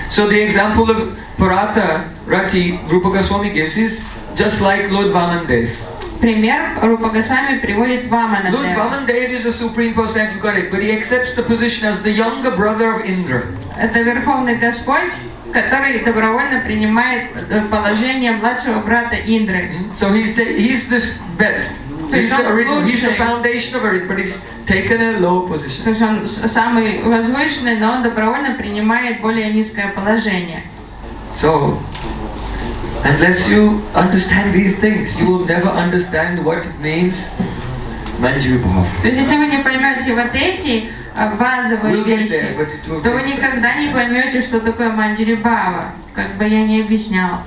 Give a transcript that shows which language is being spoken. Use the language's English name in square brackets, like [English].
[English] So the example of Purata Rati Rupa Goswami gives is just like Lord Vamandev. [Russian] Пример Рупа Госвами приводит Ваманадева. [English] Lord Vamandev is a supreme personality of Godhead, but he accepts the position as the younger brother of Indra. [Russian] Это верховный Господь, который добровольно принимает положение младшего брата Индры. [English] So he's the best. He's the original, he's the foundation of it, but he's taken a low position. [Russian] То есть он самый возвышенный, но он добровольно принимает более низкое положение. [English] So, unless you understand these things, you will never understand what it means Manjari Bhav. [Russian] То есть если вы не поймете вот эти базовые вещи, то вы никогда не поймете, что такое Манджири Бхава, как бы я не объяснял.